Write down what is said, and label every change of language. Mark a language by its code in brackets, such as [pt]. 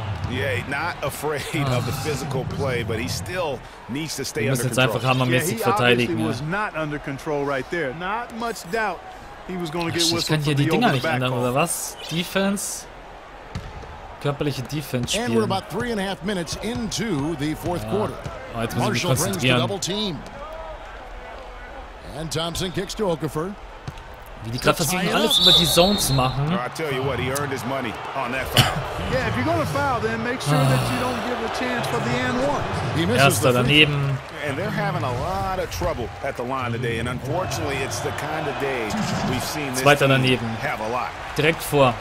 [en] Yeah, not afraid of the physical play, but he still needs to stay under [de] control. Einfach hammermäßig verteidigen. [en] Was not under control right there. Not much doubt. [de] Ich kann hier die Dinger nicht ändern, oder was? Defense? Körperliche Defense spielen. [en] And we're about 3.5 minutes into the fourth quarter. [de] Oh, jetzt muss ich mich konzentrieren. [en] And Thompson kicks to Okafor. [de] Wie die gerade versuchen, alles über die Zone zu machen. [en] I tell you what, he earned his money on that foul. Yeah, if you're gonna foul, then make sure that you don't give a chance for the and one. [de] Erster daneben. [en] And they're having a lot of trouble at the line today, and unfortunately, it's the kind of day we've seen this team have a lot. [de] Direkt vor.